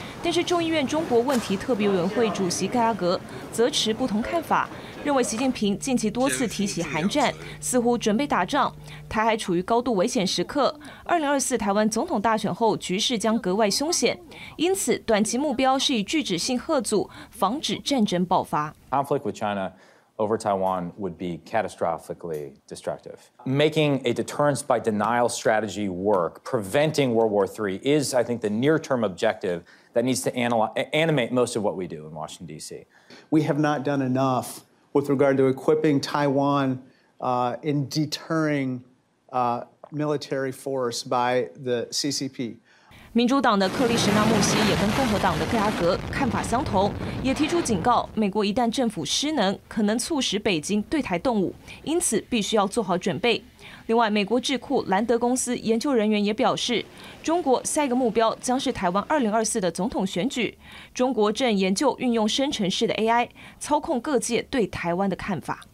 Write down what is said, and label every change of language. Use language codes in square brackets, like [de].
[zh] 但是众议院中国问题特别委员会主席盖拉格则持不同看法，认为习近平近期多次提起韩战，似乎准备打仗，台海处于高度危险时刻，2024台湾总统大选后局势将格外凶险，因此短期目标是以拒止性吓阻，防止战争爆发。 [en] Conflict with China over Taiwan would be catastrophically destructive. Making a deterrence by denial strategy work, preventing World War III, is, I think, the near-term objective that needs to animate most of what we do in Washington, D.C. We have not done enough with regard to equipping Taiwan in deterring military force by the CCP. [zh] 民主党的克里什纳穆西也跟共和党的盖拉格看法相同，也提出警告，美国一旦政府失能，可能促使北京对台动武，因此必须要做好准备。另外，美国智库兰德公司研究人员也表示，中国下一个目标将是台湾2024的总统选举，中国正研究运用生成式的 AI 操控各界对台湾的看法。